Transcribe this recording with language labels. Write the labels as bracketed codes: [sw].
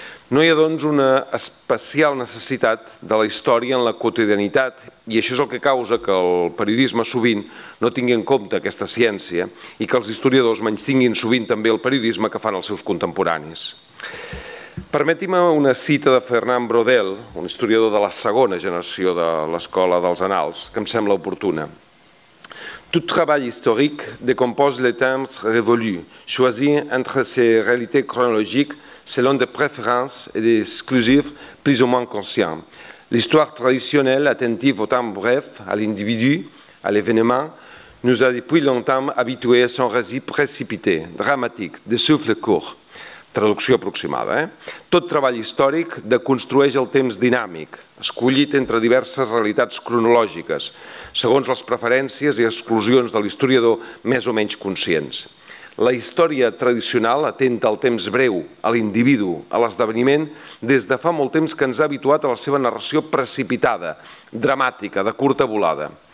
[ca] No hi ha, doncs, una especial necessitat de la història en la quotidianitat, i això és el que causa que el periodisme sovint no tingui en compte aquesta ciència i que els historiadors menystinguin sovint també el periodisme que fan els seus contemporanis. Permeti'm una cita de Fernand Braudel, un historiador de la segona generació de l'Escola dels Annals, que em sembla oportuna. [fr] Tout travail historique décompose les temps révolus, choisi entre ses réalités chronologiques selon des préférences et des exclusives plus ou moins conscients. L'histoire traditionnelle, attentive au temps bref, à l'individu, à l'événement, nous a depuis longtemps habitués à son récit précipité, dramatique, de souffle court. [ca] Traducció aproximada, eh? Tot treball històric deconstrueix el temps dinàmic, escollit entre diverses realitats cronològiques, segons les preferències i exclusions de l'historiador més o menys conscients. La història tradicional atenta al temps breu, a l'individu, a l'esdeveniment, des de fa molt temps que ens ha habituat a la seva narració precipitada, dramàtica, de curta volada.